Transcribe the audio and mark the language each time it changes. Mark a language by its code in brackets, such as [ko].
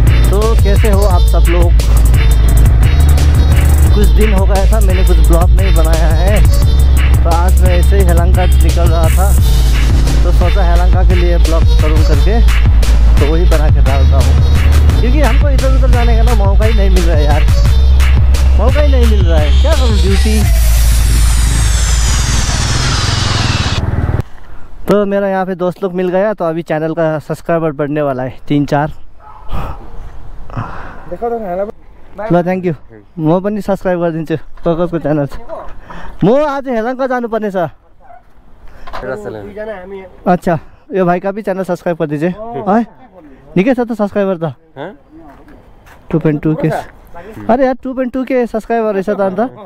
[hi] तो कैसे हो आप सब लोग, कुछ दिन हो गया था मैंने कुछ ब्लॉग नहीं बनाया है, तो आज मैं ऐसे ही हेलंगा निकल रहा था तो सोचा हेलंगा के लिए ब्लॉग करूँ करके, तो वही बना के डालता हूँ, क्योंकि हमको इधर उधर जाने का ना मौका ही नहीं मिल रहा है यार, मौका ही नहीं मिल रहा है, क्या करूँ ड्यूटी। तो मेरा यहाँ पे दोस्त लोग मिल गया, तो अभी चैनल का सब्सक्राइबर बढ़ने वाला है 3-4। लो [ne] थैंक यू, म पनि सब्सक्राइब गरिदिन्छु ककसको च्यानल छ। म आज हेलङ्का जानु पर्ने छ। अच्छा, यो भाइका पनि च्यानल सब्सक्राइब गरिदिन्छु है, निकै छ त सब्सक्राइबर त, 2.2K। अरे यार 2.2K सब्सक्राइबर रहेछ त अन्त।